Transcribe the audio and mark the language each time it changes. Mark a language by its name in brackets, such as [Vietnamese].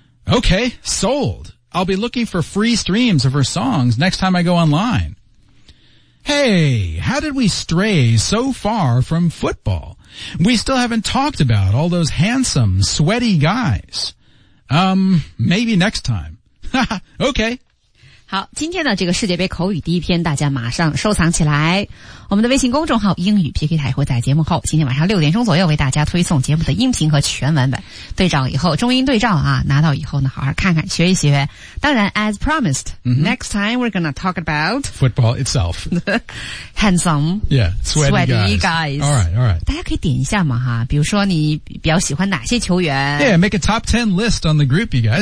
[English] Okay, sold. I'll be looking for free streams of her songs next time I go online. Hey, how did we stray so far from football? We still haven't talked about all those handsome, sweaty guys. Maybe next time. Okay. [Chinese] 好，今天的这个世界杯口语第一篇，大家马上收藏起来。我们的微信公众号英语 PK 台会在节目后，今天晚上6点钟左右为大家推送节目的音频和全文本，对照以后，中英对照啊，拿到以后呢，好好看看，学一学。当然 [English] ，as promised,、mm-hmm. next time we're gonna talk about football itself. Handsome, yeah, sweaty guys. All right, all right. [Chinese] 大家可以点一下嘛哈，比如说你比较喜欢哪些球员 [English] ？Yeah, make a top 10 list on the group, you guys.